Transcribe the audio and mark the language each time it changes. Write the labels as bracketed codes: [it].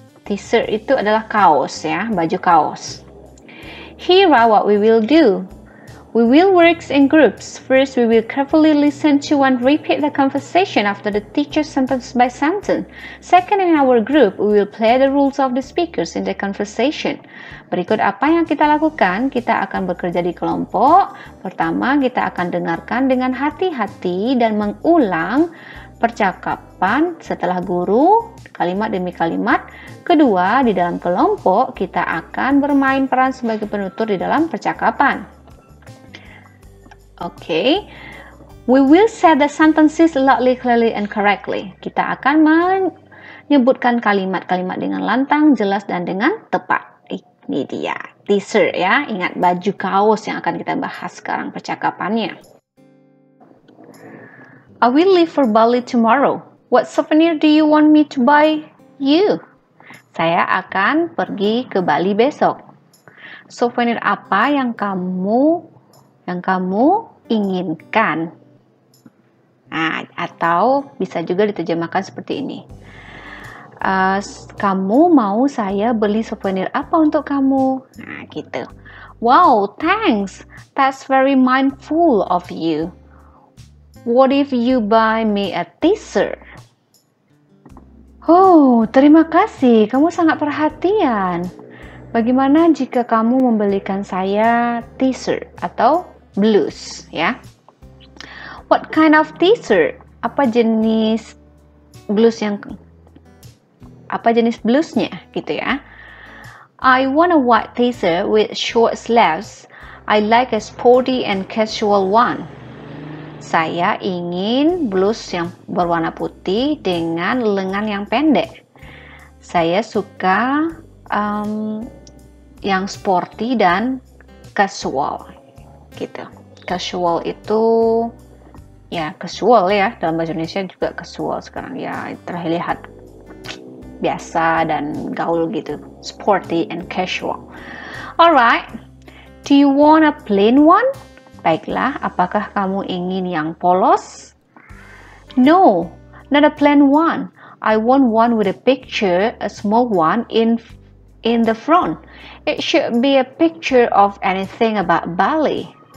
[id] T-shirt itu adalah kaos ya, baju kaos. [en] Here are what we will do. We will work in groups. First, we will carefully listen to and repeat the conversation after the teacher sentence by sentence. Second, in our group, we will play the rules of the speakers in the conversation. [id] Berikut apa yang kita lakukan, kita akan bekerja di kelompok. Pertama, kita akan dengarkan dengan hati-hati dan mengulang percakapan setelah guru, kalimat demi kalimat. Kedua, di dalam kelompok, kita akan bermain peran sebagai penutur di dalam percakapan. [en] Okay, we will say the sentences loudly, clearly, and correctly. [id] Kita akan menyebutkan kalimat-kalimat dengan lantang, jelas, dan dengan tepat. Ini dia, t-shirt ya. Ingat baju kaos yang akan kita bahas sekarang percakapannya. [en] I will leave for Bali tomorrow. What souvenir do you want me to buy you? [id] Saya akan pergi ke Bali besok. Souvenir apa yang kamu inginkan? Nah, atau bisa juga diterjemahkan seperti ini. Kamu mau saya beli souvenir apa untuk kamu? Nah, gitu. [en] Wow, thanks. That's very mindful of you. What if you buy me a t-shirt? [id] Oh, terima kasih. Kamu sangat perhatian. Bagaimana jika kamu membelikan saya t-shirt atau blues, ya? [en] What kind of t-shirt? [id] apa jenis blues yang apa jenis bluesnya gitu ya. [en] I want a white blazer with short sleeves. I like a sporty and casual one. [id] Saya ingin blus yang berwarna putih dengan lengan yang pendek. Saya suka yang sporty dan casual. Gitu. Casual itu ya casual ya, dalam bahasa Indonesia juga casual sekarang ya, terlihat biasa dan gaul gitu, sporty and casual. [en] Alright, do you want a plain one? [id] Baiklah, apakah kamu ingin yang polos? [en] No, not a plain one. I want one with a picture, a small one in the front. It should be a picture of anything about Bali.